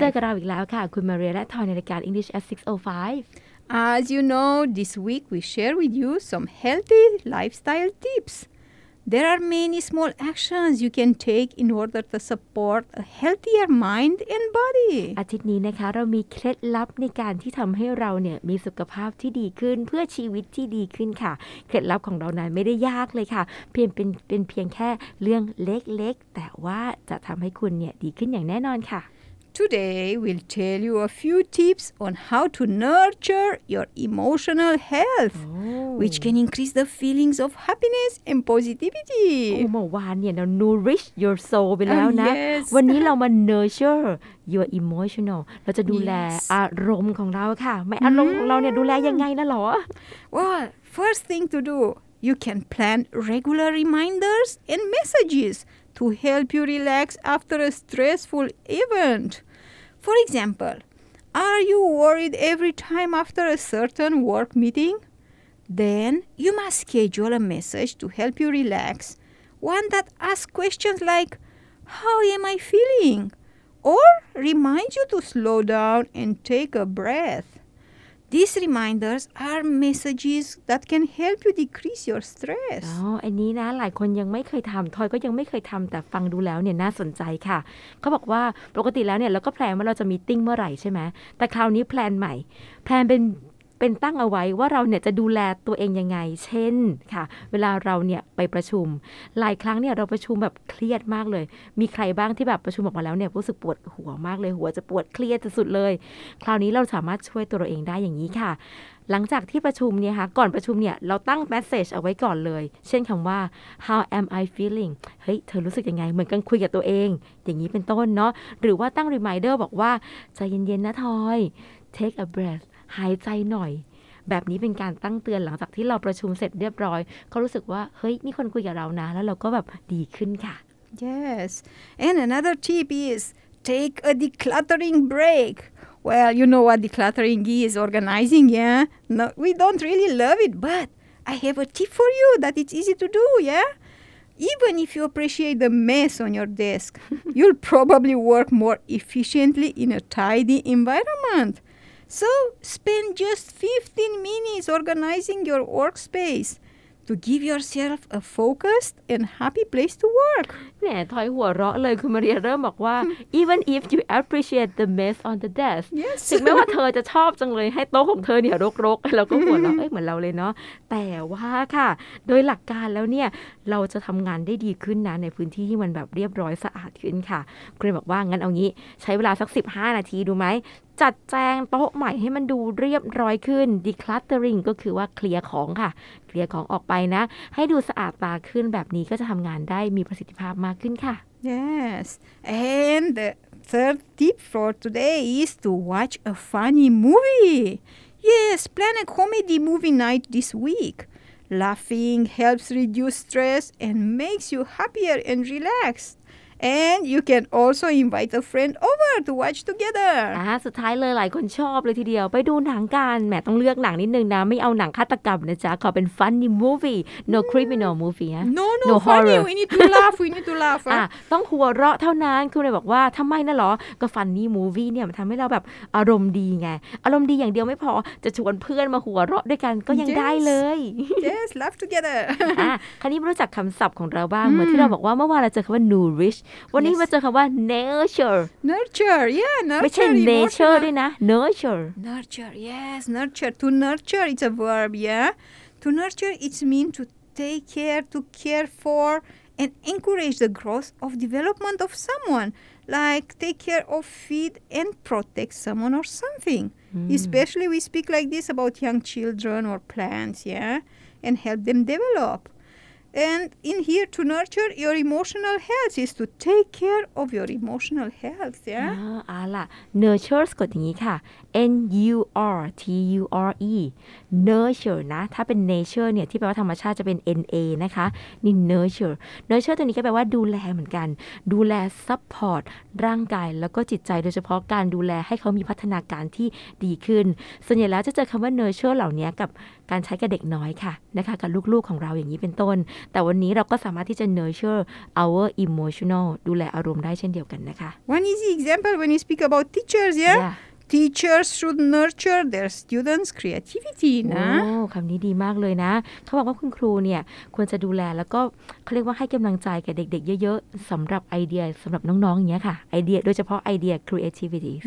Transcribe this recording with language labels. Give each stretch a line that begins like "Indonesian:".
Thai: เจอกันเราอีกแล้วค่ะคุณ Maria และ Toy ในรายการ English at 6:05.
English: As you know, this week we share with you some healthy lifestyle tips. There are many small actions you can take in order to support a healthier mind and body.
Thai: อาทิตย์นี้นะคะเรามีเคล็ดลับในการที่ทำให้เราเนี่ยมีสุขภาพที่ดีขึ้นเพื่อชีวิตที่ดีขึ้นค่ะเคล็ดลับของเรานั้นไม่ได้ยากเลยค่ะเป็นเพียงแค่เรื่องเล็กๆแต่ว่าจะทำให้คุณเนี่ยดีขึ้นอย่างแน่นอนค่ะ
English: Today we'll tell you a few tips on how to nurture your emotional health which can increase the feelings of happiness and positivity.
Thai: เมื่อวานเนี่ยเรา
English: nourish your soul
Thai: ไปแล้วนะ
English: yes.
Thai: วันนี้เรามา
English: nurture your emotional
Thai: เราจะดูแล อารมณ์ของเราค่ะไม่อารมณ์ของเราเนี่ยดูแลยังไงนะหรอ
English: Well, first thing to do, you can plan regular reminders and messages to help you relax after a stressful event. For example, are you worried every time after a certain work meeting? Then you must schedule a message to help you relax. One that asks questions like, how am I feeling? or remind you to slow down and take a breath. These reminders are messages that can help you decrease your stress.
Thai: อ๋ออันนี้นะหลายคนยังไม่เคยทำทอยก็ยังไม่เคยทำแต่ฟังดูแล้วเนี่ยน่าสนใจค่ะเขาบอกว่าปกติแล้วเนี่ยเราก็แพลนว่าเราจะมีติ้งเมื่อไหร่ใช่ไหมแต่คราวนี้แพลนใหม่แพลนเป็นตั้งเอาไว้ว่าเราเนี่ยจะดูแลตัวเองยังไงเช่นค่ะเวลาเราเนี่ยไปประชุมหลายครั้งเนี่ยเราประชุมแบบเครียดมากเลยมีใครบ้างที่แบบประชุมออกมาแล้วเนี่ยรู้สึกปวดหัวมากเลยหัวจะปวดเครียดสุดเลยคราวนี้เราสามารถช่วยตัวเองได้อย่างนี้ค่ะ หลังจากที่ประชุมเนี่ยค่ะก่อนประชุมเนี่ยเราตั้งเมสเซจเอาไว้ก่อนเลยเช่นคำว่า
English: how am I feeling
Thai: เฮ้ยเธอรู้สึกยังไงเหมือนกันคุยกับตัวเองอย่างนี้เป็นต้นเนาะหรือว่าตั้ง reminder บอกว่าใจเย็นๆนะทอย
English: take a breath
Thai: หายใจหน่อยแบบนี้เป็นการตั้งเตือนหลังจากที่เราประชุมเสร็จเรียบร้อยเขารู้สึกว่าเฮ้ยมีคนคุยกับเรานะแล้วเราก็แบบดีขึ้นค่ะ
English: Yes and another tip is take a decluttering break well you know what decluttering is organizing yeah no we don't really love it but I have a tip for you that it's easy to do yeah even if you appreciate the mess on your desk you'll probably work more efficiently in a tidy environmentSo, spend just 15 minutes organizing your workspace to give yourself a focused and happy place to work.
Thai: แหมถอยหัวเราะเลยคุณมาเรียเริ่มบอกว่า
English: even if you appreciate the mess on the desk. Yes.
Thai: ถึงแม้ว่าเธอจะชอบจังเลยให้โต๊ะของเธอเนี่ยรกๆแล้วก็หัวเราะเอ้ยเหมือนเราเลยเนาะแต่ว่าค่ะโดยหลักการแล้วเนี่ยเราจะทำงานได้ดีขึ้นนะในพื้นที่ที่มันแบบเรียบร้อยสะอาดขึ้นค่ะคุณบอกว่างั้นเอางี้ใช้เวลาสัก15นาทีดูไหมจัดแจงโต๊ะใหม่ให้มันดูเรียบร้อยขึ้น decluttering ก็คือว่าเคลียร์ของค่ะเคลียร์ของออกไปนะให้ดูสะอาดตาขึ้นแบบนี้ก็จะทำงานได้มีประสิทธิภาพมากขึ้นค่ะ
English: Yes and the third tip for today is to watch a funny movie Yes plan a comedy movie night this week Laughing helps reduce stress and makes you happier and relaxedAnd you can also invite a friend over to watch together.
Thai: สุดท้ายเลยหลายคนชอบเลยทีเดียวไปดูหนังกันแหมต้องเลือกหนังนิดนึงนะไม่เอาหนังฆาตกรรมนะจ๊ะขอเป็น
English: funny movie. No criminal movie. Huh? No horror. Funny. We need to laugh. We need to laugh.
Thai: ต้องหัวเราะเท่านั้นคุณเลยบอกว่าทำไมนะหรอก็
English: funny movie
Thai: เนี่ยมันทำให้เราแบบอารมณ์ดีไงอารมณ์ดีอย่างเดียวไม่พอจะชวนเพื่อนมาหัวเราะด้วยกันก็ยังได้เลย
English: Yes, laugh together.
Thai: คราวนี้มารู้จักคำศัพท์ของเราบ้างเหมือนที่เราบอกว่าเมื่อวานเราเจอคำว่า nourishวันนี้
English: yes.
Thai: มาเจอคำว่า nurture
English: yeah nurture
Thai: ไม่ใช่ nature
English: emotional.
Thai: ด้วยนะ nurture
English: yes nurture to nurture it's a verb yeah to nurture it means to take care to care for and encourage the growth of development of someone like take care of feed and protect someone or something especially we speak like this about young children or plants yeah and help them developAnd in here to nurture your emotional health is to take care of your emotional health, yeah?
Thai: อ๋อล่ะ nurture ก็อย่างนี้ค่ะ N-U-R-T-U-R-E nurture นะถ้าเป็น nature เนี่ยที่แปลว่าธรรมชาติจะเป็น N-A นะคะนี่ nurture ตัวนี้ก็แปลว่าดูแลเหมือนกันดูแล support ร่างกายแล้วก็จิตใจโดยเฉพาะการดูแลให้เขามีพัฒนาการที่ดีขึ้นส่วนใหญ่แล้วจะเจอคำว่า nurture เหล่านี้กับการใช้กับเด็กน้อยค่ะนะคะกับลูกๆของเราอย่างนี้เป็นต้นแต่วันนี้เราก็สามารถที่จะ
English: nurture our emotional
Thai: ดูแลอารมณ์ได้เช่นเดียวกันนะคะ
English: One easy example when you speak about teachers Teachers should nurture their students' creativity
Thai: นะ โอ้คำนี้ดีมากเลยนะเขาบอกว่าคุณครูเนี่ยควรจะดูแลแล้วก็เขาเรียกว่าให้กำลังใจแก่เด็กๆเยอะๆสำหรับไอเดียสำหรับน้องๆอย่างเงี้ยค่ะไอเดียโดยเฉพาะไอเดีย creativity